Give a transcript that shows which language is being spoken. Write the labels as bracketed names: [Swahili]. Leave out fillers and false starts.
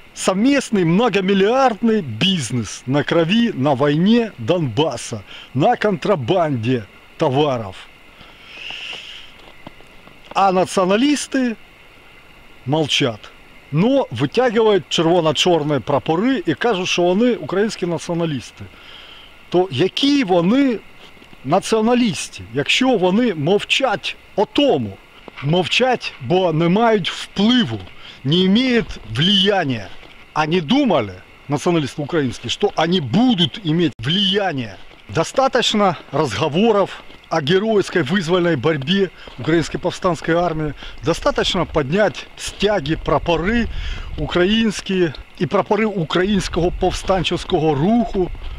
[Russian] Совместный многомиллиардный бизнес на крови, на войне Донбасса, на контрабанде товаров. А националисты молчат. Но вытягивают червоно-черные прапори и кажут, что они украинские националисты. [Ukrainian] То які вони націоналісти, якщо вони мовчать о тому? Мовчать, бо не мають впливу, не мають влияния. [Russian] Они думали, националисты украинские, что они будут иметь влияние. Достаточно разговоров о геройской вызвольной борьбе украинской повстанской армии. Достаточно поднять стяги, прапоры украинские и прапоры украинского повстанческого руху.